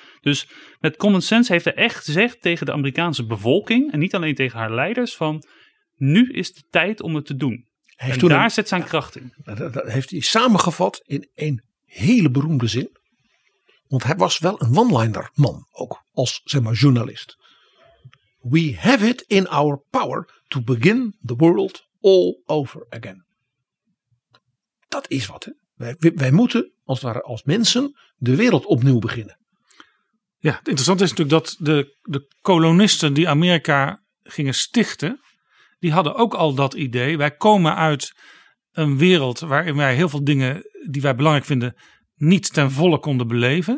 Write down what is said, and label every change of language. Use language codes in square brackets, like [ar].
[nl] Dus met common sense heeft hij echt gezegd tegen de Amerikaanse bevolking, en niet alleen tegen haar leiders, van nu is de tijd om het te doen. Zet zijn kracht in. Dat heeft hij samengevat in een hele beroemde zin. Want hij was wel een one-liner man, ook als zeg maar journalist. [en] We have it in our power to begin the world all over again. [nl] Dat is wat. Hè? Wij moeten als mensen de wereld opnieuw beginnen. Ja, het interessante is natuurlijk dat de kolonisten die Amerika gingen stichten, die hadden ook al dat idee. Wij komen uit een wereld waarin wij heel veel dingen die wij belangrijk vinden niet ten volle konden beleven.